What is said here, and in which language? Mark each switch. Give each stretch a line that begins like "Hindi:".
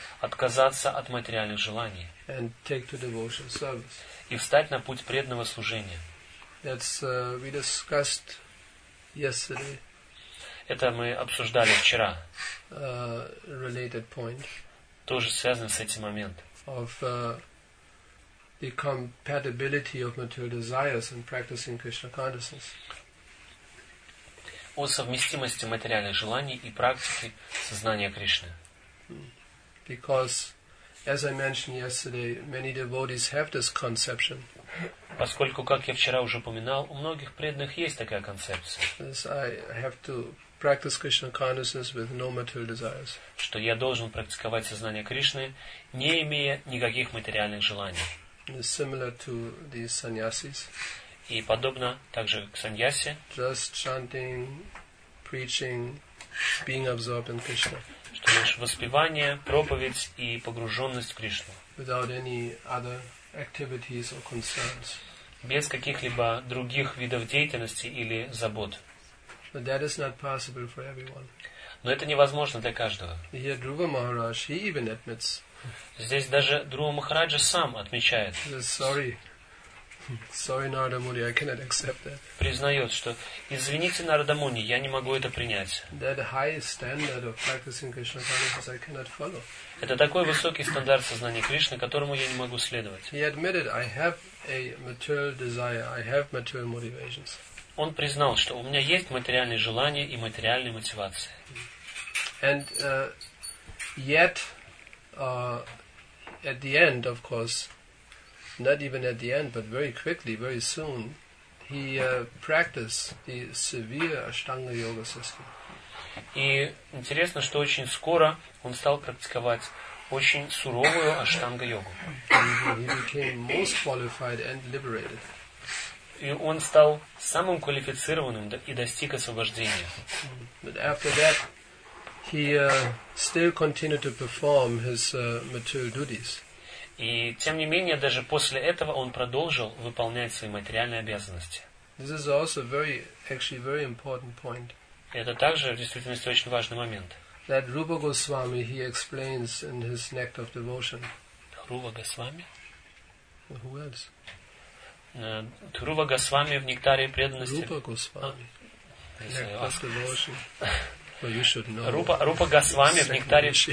Russian: Отказаться от материальных желаний.
English: And take to devotional service.
Russian: И встать на путь преданного служения.
English: That's we discussed yesterday.
Russian: Это мы обсуждали вчера.
English: Related point.
Russian: Тоже связан с этим момент.
English: Of the compatibility of material desires and practicing Krishna consciousness.
Russian: О совместимости материальных желаний и практики сознания Кришны.
English: Because, as I mentioned yesterday, many devotees have this conception.
Russian: Поскольку, как я вчера уже упоминал, у многих преданных есть такая концепция.
English: I have to practice Krishna consciousness with no material desires.
Russian: Что я должен практиковать сознание Кришны, не имея никаких материальных желаний.
English: It's similar to the sannyasis.
Russian: И подобно также к саньясе.
English: Just chanting, preaching, being absorbed in Krishna.
Russian: Что лишь воспевание, проповедь и погруженность в Кришну.
English: Without any other activities or concerns.
Russian: Без каких-либо других видов деятельности или забот.
English: But that is not possible for everyone.
Russian: Но это невозможно для каждого.
English: Here Dhruva Maharaj, he even admits.
Russian: Здесь даже Друва Махараджа сам отмечает.
English: Sorry, Narada Muni, I cannot accept that.
Russian: Признает, что извините, Нарада Муни, я не могу это принять.
English: That high standard of practicing Krishna consciousness, I cannot follow.
Russian: Это такой высокий стандарт сознания Кришны, которому я не могу следовать.
English: He admitted, I have a material desire, I have material motivations.
Russian: Он признал, что у меня есть материальные желания и материальные мотивации.
English: And yet, at the end, of course. Not even at the end, but very quickly, very soon, he practiced the severe Ashtanga Yoga system.
Russian: И интересно, что очень скоро он стал практиковать очень суровую Аштанга йогу.
English: He became most qualified and liberated.
Russian: И он стал самым квалифицированным и достиг освобождения.
English: But after that, he still continued to perform his material duties.
Russian: И тем не менее, даже после этого он продолжил выполнять свои материальные обязанности.
English: This is also very, actually very important point.
Russian: Это также в действительности очень важный момент.
English: That Rupa Goswami, he explains in his Nect of Devotion. Rupa Goswami? Who else?
Russian: Rupa Goswami в Нектаре преданности.
English: Rupa Goswami. Nect of Devotion. Well, you should know.
Russian: Rupa Goswami в Нектаре.